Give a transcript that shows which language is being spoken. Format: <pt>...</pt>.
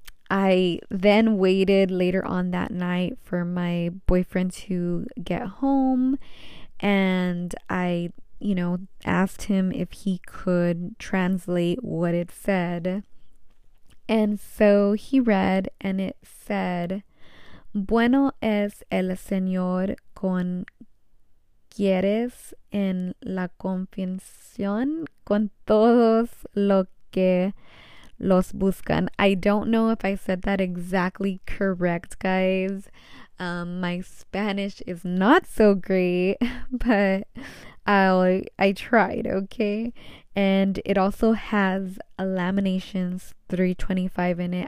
<en>I then waited later on that night for my boyfriend to get home, and I, you know, asked him if he could translate what it said.</en> <es>And so he read, and it said, bueno es el señor con quieres en la confesión con todos lo que los buscan.</es> <en>I don't know if I said that exactly correct, guys. My Spanish is not so great, but I tried, okay? And it also has a Laminations 325 in it.</en>